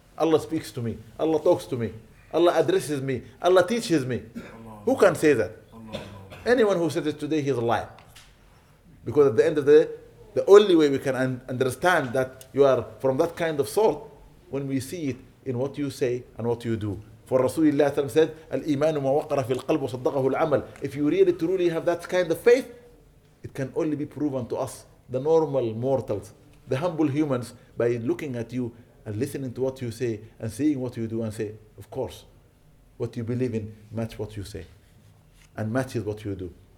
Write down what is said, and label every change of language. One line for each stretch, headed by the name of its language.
English: Allah speaks to me. Allah talks to me. Allah addresses me. Allah teaches me. Allah. Who can say that? Allah. Anyone who says it today, he's a liar. Because at the end of the day, the only way we can understand that you are from that kind of sort, when we see it in what you say and what you do. For Rasulullah said,
Arabic: الإيمان ما وقر في القلب وصدقه العمل.
English: If you really truly have that kind of faith, it can only be proven to us, the normal mortals, the humble humans, by looking at you and listening to what you say and seeing what you do and say, of course, what you believe in matches what you say and matches what you do.